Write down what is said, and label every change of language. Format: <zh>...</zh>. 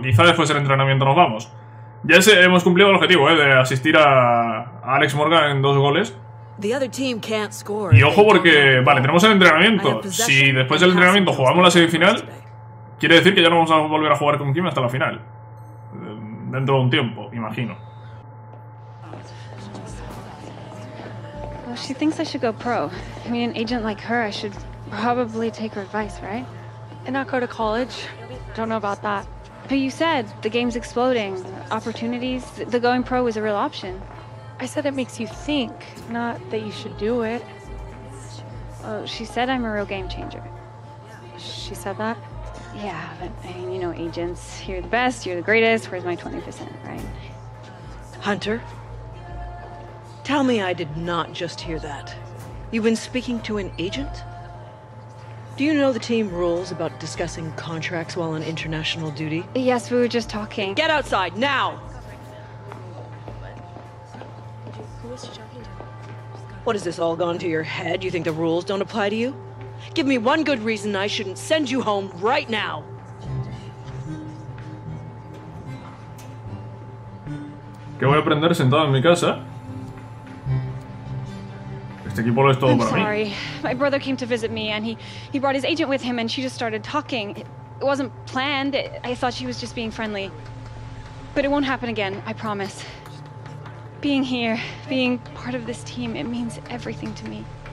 <es>Quizá después del entrenamiento nos vamos. Ya hemos cumplido el objetivo, ¿eh? De asistir a Alex Morgan en 2 goles. Y ojo porque... Vale, tenemos el entrenamiento. Si después del entrenamiento jugamos la semifinal, quiere decir que ya no vamos a volver a jugar con Kim hasta la final. Dentro de un tiempo, imagino.</es> <en>Well, she thinks I should go pro. I mean, an agent like her, I should probably take her advice, right? And not go to college. Don't know about that. But you said the game's exploding, opportunities. The going pro was a real option. I said it makes you think, not that you should do it. Well, she said I'm a real game changer. She said that? Yeah, but I mean, you know, agents, you're the best, you're the greatest, where's my 20%, right? Hunter, tell me I did not just hear that. You've been speaking to an agent? Do you know the team rules about discussing contracts while on international duty? Yes, we were just talking. Get outside, now! What has this all gone to your head? You think the rules don't apply to you? Give me one good reason I shouldn't send you home right now.</en> <es>¿Qué voy a aprender sentado en mi casa? Este equipo lo es todo para mí.</es> <en>I'm sorry. My brother came to visit me and he brought his agent with him and she just started talking. It wasn't planned. I thought she was just being friendly. But it won't happen again, I promise. Being here, being part of this team, it means everything to me.</en>